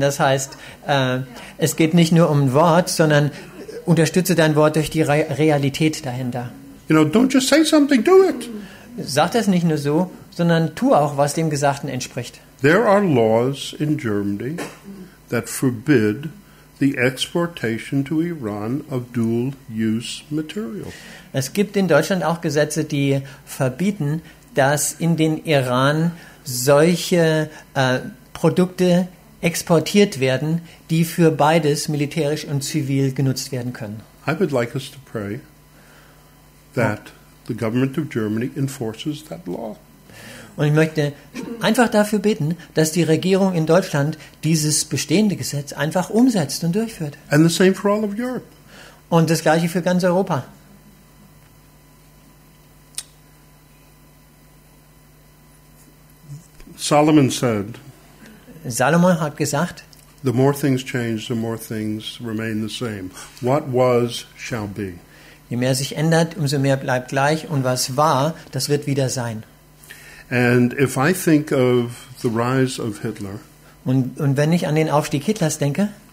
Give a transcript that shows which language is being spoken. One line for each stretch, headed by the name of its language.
German: Das heißt, es geht nicht nur um ein Wort, sondern unterstütze dein Wort durch die Realität dahinter.
English: You know, don't just say something, do it.
German: Sag das nicht nur so, sondern tu auch, was dem Gesagten entspricht.
English: There are laws in Germany that forbid the exportation to Iran of dual-use material.
German: Es gibt in Deutschland auch Gesetze, die verbieten, dass in den Iran solche Produkte exportiert werden, die für beides militärisch und zivil genutzt werden können.
English: I would like us to pray that the government of Germany enforces that law.
German: Und ich möchte einfach dafür beten, dass die Regierung in Deutschland dieses bestehende Gesetz einfach umsetzt und durchführt.
English: And the same for all of Europe.
German: Und das gleiche für ganz Europa.
English: Solomon said,
German: Salomon hat gesagt,
English: the more things change, the more things remain the same. What was, shall be.
German: Je mehr sich ändert, umso mehr bleibt gleich. Und was war, das wird wieder sein.
English: And if I think of the rise of Hitler,
German: und wenn ich an den Aufstieg Hitlers denke,